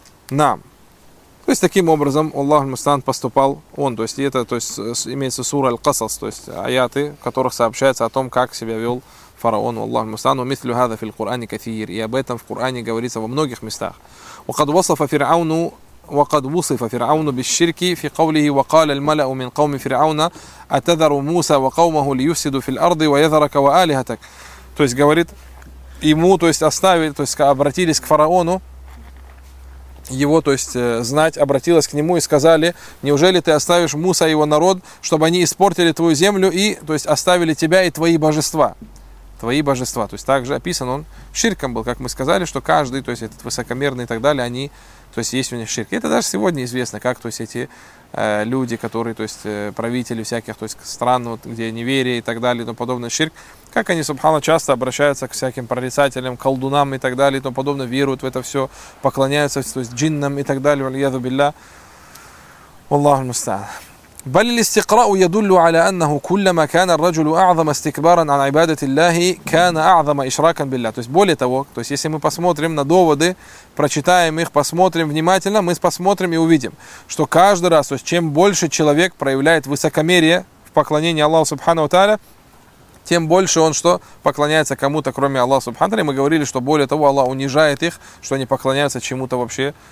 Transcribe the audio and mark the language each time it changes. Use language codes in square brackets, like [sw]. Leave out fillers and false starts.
[ru] Нам. То есть таким образом Аллах Мустан поступал он. То есть это то есть, имеется сура Аль-Касас, то есть аяты, в которых сообщается о том, как себя вел фараон Аллах Мустан. [ar] «Умитлю хаза фил Кур'ани кафир». [ru] И об этом в Кур'ане говорится во многих местах. [ar] «Вакад васафа фирауну». وقد وصف فرعون بالشرك في قوله وقال الملأ من قوم فرعون أتذر موسى وقومه ليفسدوا في الأرض ويذرك وآلهتك. [ru] То есть говорит ему, то есть оставили, то есть обратились к фараону, его, то есть знать, обратилась к нему и сказали: неужели ты оставишь Муса и его народ, чтобы они испортили твою землю и, то есть оставили тебя и твои божества? Твои божества. То есть также описан он ширком был, как мы сказали, что каждый, то есть этот высокомерный и так далее, они, то есть есть у них ширк. Это даже сегодня известно, как то есть эти люди, которые, то есть правители всяких, то есть стран, вот, где неверие и так далее и тому подобное, ширк, как они, субханно, часто обращаются к всяким прорицателям, колдунам и так далее и тому подобное, веруют в это все, поклоняются, то есть джиннам и так далее, валиязу билля. [ar] والله المستعان. بل الاستقراء يدل على أنه كلما كان الرجل أعظم استكبارا عن عبادة الله كان أعظم إشراكا بالله. [ru] То есть более того, то есть если мы посмотрим на доводы, прочитаем их, посмотрим внимательно, мы посмотрим и увидим, что каждый раз, то есть чем больше человек проявляет высокомерие в поклонении Аллаху Субхану Тааля, тем больше он что? Поклоняется кому-то, кроме Аллаха Субхану Тааля. Мы говорили, что более того, Аллах унижает их, что они поклоняются чему-то вообще.